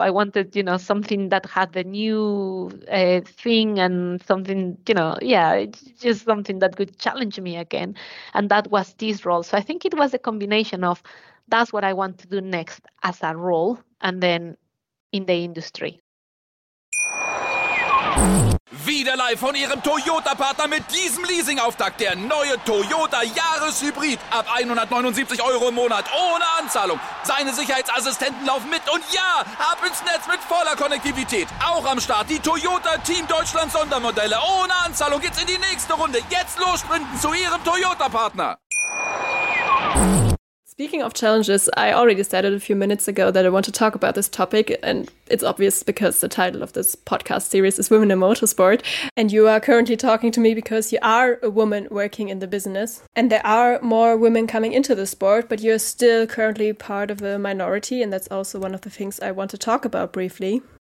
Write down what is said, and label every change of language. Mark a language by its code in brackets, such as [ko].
[en] I wanted, you know, something that had the new thing and something, you know, yeah, just something that could challenge me again. And that was this role. So I think it was a combination of that's what I want to do next as a role and then in the industry. [de] Wieder live von Ihrem Toyota-Partner mit diesem Leasing-Auftakt. Der neue Toyota Yaris-Hybrid. Ab 179 Euro im Monat. Ohne Anzahlung. Seine Sicherheitsassistenten laufen mit. Und ja, ab ins Netz mit voller Konnektivität. Auch am Start die Toyota Team Deutschland Sondermodelle. Ohne Anzahlung geht's in die nächste Runde. Jetzt los sprinten zu Ihrem Toyota-Partner. [en] Speaking of challenges, I already said it a few minutes ago that I want to talk about this topic, and it's obvious because the title of this podcast series is Women in Motorsport, and you are currently talking to me because you are a woman working in the business, and there are more women coming into the sport, but you're still currently part of a minority, and that's also one of the things I want to talk about briefly.